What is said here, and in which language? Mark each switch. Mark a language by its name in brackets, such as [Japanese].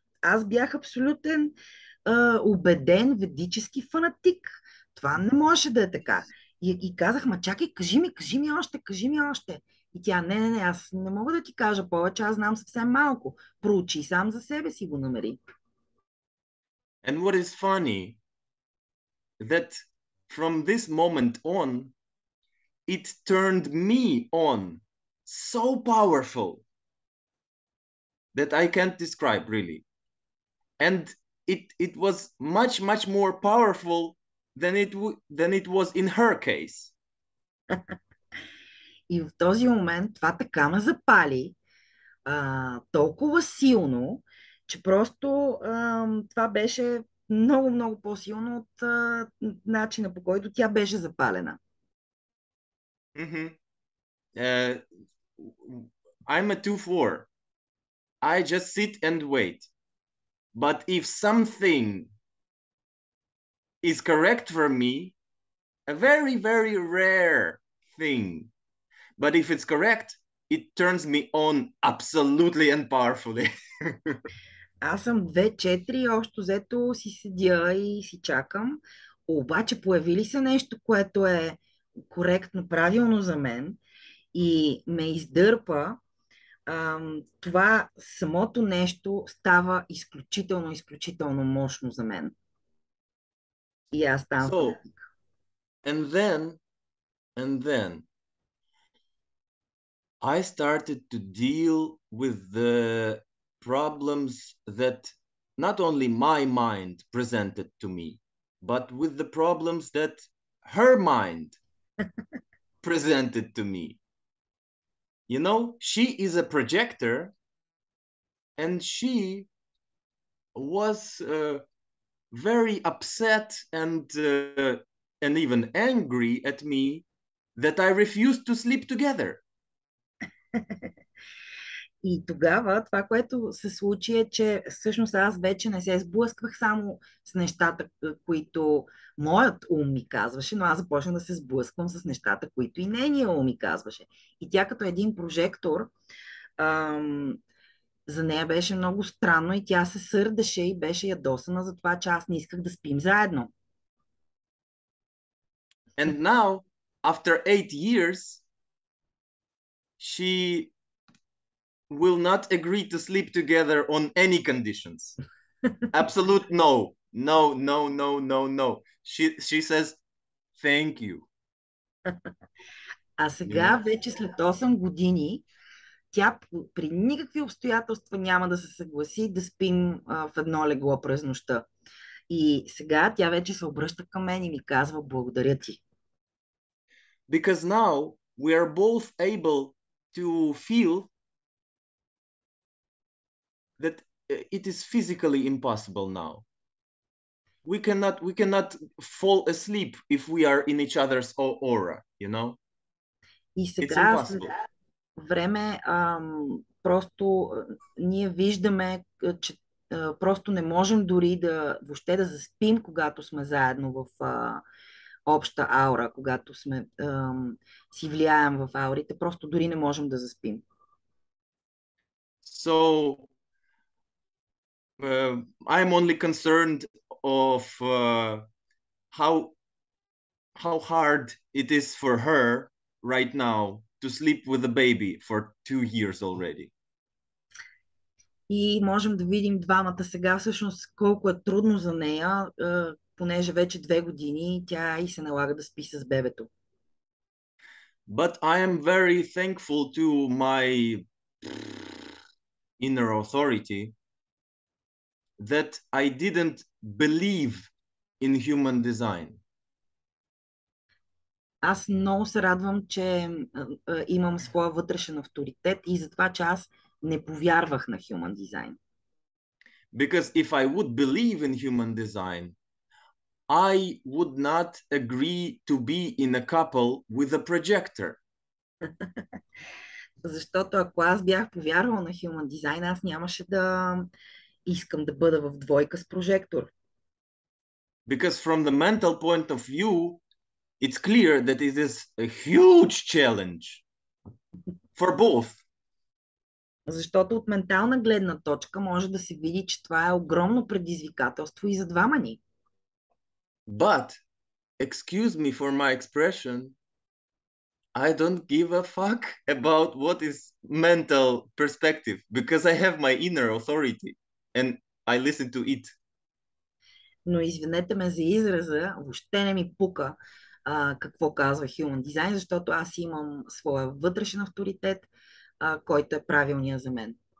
[Bulgarian] Аз бях абсолютен убеден ведически фанатик. Това не може да е така. И казах, ма чакай, кажи ми още. И тя, не, аз не мога да ти кажа повече, аз знам съвсем малко. Проучи сам за себе си го намери. [English] And what is funny, that from this moment on, it turned me on so powerful that I can't describe really. And it was much, much more powerful than it was in her case. [Bulgarian] И в този момент това така ме запали толкова силно, че просто това беше много, много по-силно от начина, по който тя беше запалена. Mm-hmm. [English] I'm a 2-4. I just sit and wait. But if something is correct for me, a very, very rare thing. But if it's correct, it turns me on absolutely and powerfully. [Bulgarian] Аз съм 2-4, още взето си седя и си чакам. Обаче появи ли се нещо, което е коректно, правилно за мен и ме издърпа, това самото нещо става изключително, изключително мощно за мен. И аз ставам фанатик. [English] And then I started to deal with the problems that not only my mind presented to me, but with the problems that her mind presented to me. You know, she is a projector, and she was very upset and even angry at me that I refused to sleep together. [Bulgarian] И тогава това, което се случи, е, че всъщност аз вече не се сблъсквах само с нещата, които моят ум ми казваше, но аз започнах да се сблъсквам с нещата, които и нейния ум ми казваше. И тя като един прожектор, за нея беше много странно и тя се сърдеше и беше ядосана за това, че аз не исках да спим заедно. [English] And now, after 8 years, she will not agree to sleep together on any conditions. Absolute no. No, no, no, no, no. She says, thank you. [Bulgarian] А сега, yeah, вече след 8 години, тя при никакви обстоятелства няма да се съгласи да спим в едно легло през нощта. И сега тя вече се обръща към мен и ми казва, благодаря ти. [English] Because now we are both able to feel that it is physically impossible now. We cannot fall asleep if we are in each other's aura, you know? [Bulgarian] И сега, [English] it's impossible. [Bulgarian] Време, просто ние виждаме, че просто не можем дори да въобще да заспим, когато сме заедно в обща аура, когато сме си влияем в аурите, просто дори не можем да заспим. [English] So, I'm only concerned of how hard it is for her right now to sleep with a baby for 2 years already. [Bulgarian] И можем да видим двамата сега всъщност колко е трудно за нея, понеже вече 2 години тя и се налага да спи с бебето. [English] But I am very thankful to my inner authority that I didn't believe in human design. [Bulgarian] Аз много се радвам, че имам своя вътрешен авторитет и затова, че аз не повярвах на human design. [English] Because if I would believe in human design, I would not agree to be in a couple with a projector. [Bulgarian] Защото ако аз бях повярвал на human design, аз нямаше да искам да бъда в двойка с прожектор. [English] Because from the mental point of view, it's clear that it is a huge challenge for both. [Bulgarian] Защото от ментална гледна точка може да се види, че това е огромно предизвикателство и за двама ни. [English] But, excuse me for my expression, I don't give a fuck about what is mental perspective, because I have my inner authority and I listen to it. [Bulgarian] но извинете ме за израза, въобще не ми пука какво казва Human Design, защото аз имам своя вътрешен авторитет, който е правилния за мен.